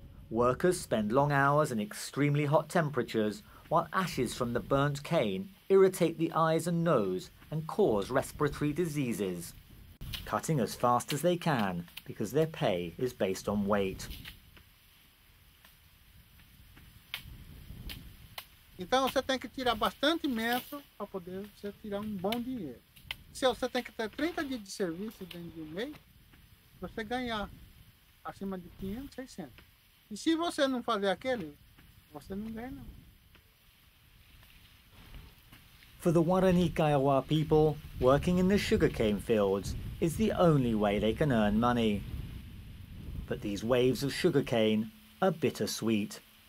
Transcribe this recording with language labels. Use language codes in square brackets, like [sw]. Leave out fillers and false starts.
[en] Workers spend long hours in extremely hot temperatures, while ashes from the burnt cane irritate the eyes and nose and cause respiratory diseases, cutting as fast as they can because their pay is based on weight. [pt] Então você tem que tirar bastante metro para poder você tirar bom dinheiro. Se você tem que ter 30 dias de serviço dentro de mês, você ganhar acima de 500, 600. E se você não fazer aquele, você não ganha. [en] For the Guarani Kaiowá people, working in the sugarcane fields is the only way they can earn money. But these waves of sugarcane are bittersweet.